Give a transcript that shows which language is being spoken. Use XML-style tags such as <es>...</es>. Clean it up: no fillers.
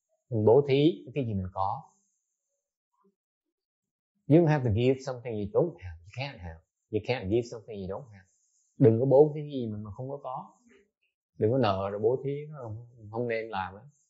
<vi>Mình bố thí cái gì mình có.</vi> <en>You don't have to give something you don't have. You can't have. You can't give something you don't have.</en> <vi>Đừng có bố thí gì mà không có. Đừng có nợ rồi bố thí không nên làm á.</vi>